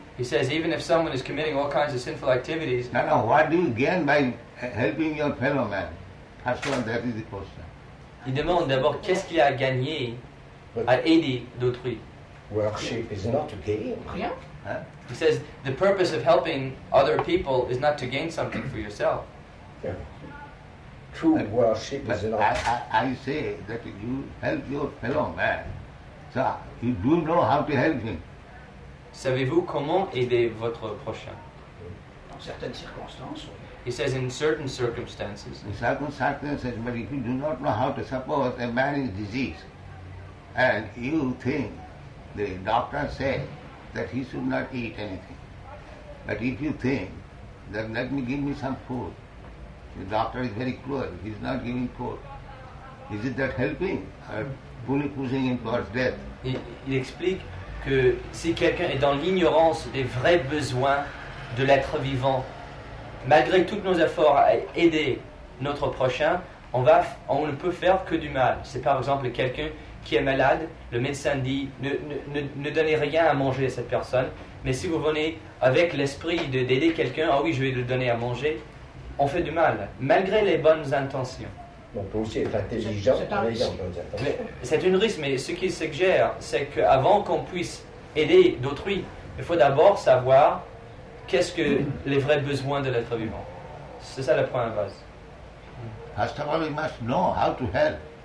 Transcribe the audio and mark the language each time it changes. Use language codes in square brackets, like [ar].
[en] He says even if someone is committing all kinds of sinful activities. No, no. What do you gain by helping your fellow man? First one, that is the question. [fr] Il demande d'abord qu'est-ce qu'il y a à gagner à aider d'autrui. [en] Worship is not to gain. [fr] Rien. [en] He says the purpose of helping other people is not to gain something for yourself. Yeah. True worship is not. I say that you help your fellow man, so you do know how to help him. [fr] Savez-vous comment aider votre prochain? Dans certaines circonstances. [en] He says, in certain circumstances. In certain circumstances, but if you do not know how to suppose a man is diseased, and you think the doctor said that he should not eat anything, but if you think that let me give me some food, the doctor is very cruel, he is not giving food, is it that helping or fully pushing him towards death? [fr] Il explique que si quelqu'un est dans l'ignorance des vrais besoins de l'être vivant, malgré tous nos efforts à aider notre prochain, on ne peut faire que du mal. C'est par exemple quelqu'un qui est malade, le médecin dit ne donnez rien à manger à cette personne, mais si vous venez avec l'esprit d'aider quelqu'un, ah oui, je vais le donner à manger, on fait du mal, malgré les bonnes intentions. On peut aussi être intelligent, c'est un risque. Les bonnes intentions. Mais, c'est un risque, mais ce qu'il suggère, c'est qu'avant qu'on puisse aider d'autrui, il faut d'abord savoir. Qu'est-ce que les vrais besoins de l'être vivant? C'est ça le point à base. [en] First of all, we must know how to help.